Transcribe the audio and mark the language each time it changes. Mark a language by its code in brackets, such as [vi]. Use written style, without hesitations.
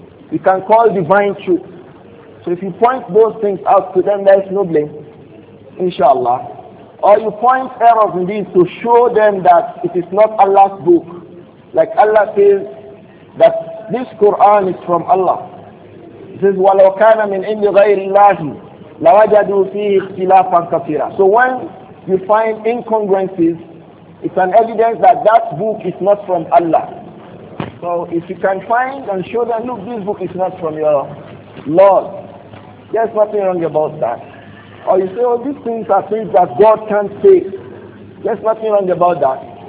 [en] You can call divine truth. So if you point those things out to them, there is no blame, inshallah. Or you point errors in these to show them that it is not Allah's book. Like Allah says that this Quran is from Allah. It says, [ar] وَلَوْ كَانَ مِنْ عِنْدِ غَيْرِ اللَّهِ لَوَجَدُوا فِيهِ اخْتِلَافًا كَثِيرًا. [en] So when you find incongruences, it's an evidence that that book is not from Allah. So if you can find and show them, look, this book is not from your Lord, there's nothing wrong about that. Or you say, oh, these things are things that God can't say. There's nothing wrong about that.